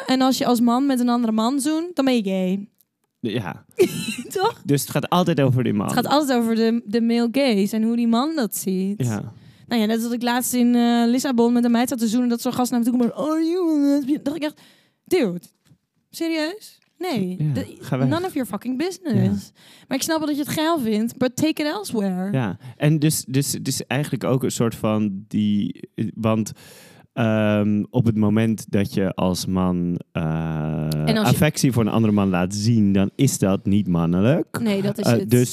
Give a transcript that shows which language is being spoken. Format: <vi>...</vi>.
<nl>En als je als man met een andere man zoent, dan ben je gay. Ja. Toch? Dus het gaat altijd over die man. Het gaat altijd over de male gays en hoe die man dat ziet. Ja. Nou ja, net als ik laatst in Lissabon met een meid zat te zoenen, dat zo'n gast naar me toe komt.</nl> <en>Are you a lesbian?</en> <nl>Dacht ik echt...</nl> <en>Dude, serieus? Nee, none of your fucking business.</en> <nl>Ja. Maar ik snap wel dat je het geil vindt,</nl> <en>but take it elsewhere.</en> <nl>Ja, en dus het is eigenlijk ook een soort van die... Want op het moment dat je als man affectie voor een andere man laat zien, dan is dat niet mannelijk. Nee, dat is het.</nl>